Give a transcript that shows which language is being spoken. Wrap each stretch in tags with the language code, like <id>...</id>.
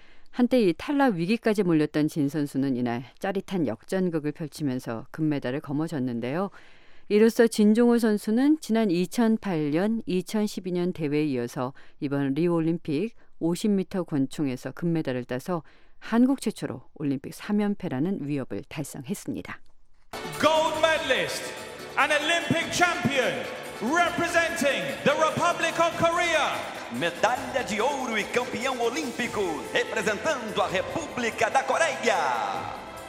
<ko>한때 이 탈락 위기까지 몰렸던 진 선수는 이날 짜릿한 역전극을 펼치면서 금메달을 거머쥐었는데요. 이로써 진종호 선수는 지난 2008년, 2012년 대회에 이어서 이번 리우올림픽 50m 권총에서 금메달을 따서 한국 최초로 올림픽 3연패라는 위업을 달성했습니다.</ko> <en>Gold medalist, an Olympic champion representing the Republic of Korea.</en> <pt>Medalha de ouro e campeão olímpico representando a República da Coreia.</pt>